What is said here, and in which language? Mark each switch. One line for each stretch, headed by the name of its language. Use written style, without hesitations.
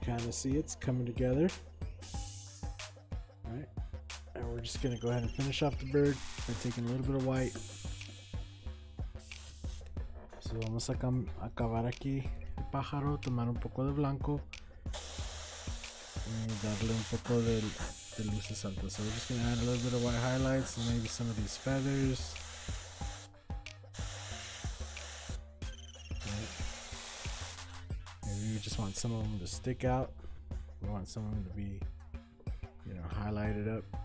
English: See, it's coming together. All right, and we're just gonna go ahead and finish off the bird by taking a little bit of white.
Spanish: So vamos a acabar aquí el pájaro, tomar un poco de blanco y darle un poco de luces altas.
English: So we're just gonna add a little bit of white highlights and maybe some of these feathers. Right. Maybe we just want some of them to stick out. We want some of them to be, you know, highlighted up.